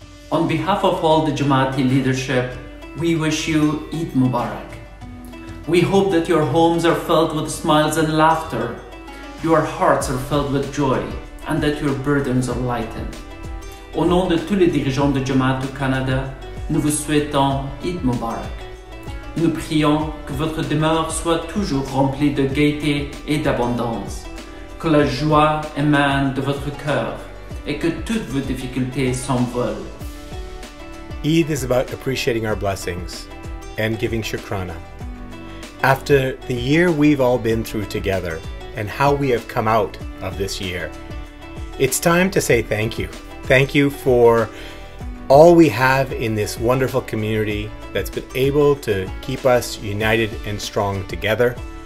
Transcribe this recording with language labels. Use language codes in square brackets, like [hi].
[en] On behalf of all the Jamaati leadership, we wish you Eid Mubarak. We hope that your homes are filled with smiles and laughter, your hearts are filled with joy, and that your burdens are lightened. [fr] Au nom de tous les dirigeants de Jamaat du Canada, nous vous souhaitons Eid Mubarak. Nous prions que votre demeure soit toujours remplie de gaieté et d'abondance, que la joie émane de votre cœur et que toutes vos difficultés s'envolent. [en] Eid is about appreciating our blessings and giving shukrana. After the year we've all been through together and how we have come out of this year, it's time to say thank you. Thank you for all we have in this wonderful community that's been able to keep us united and strong together.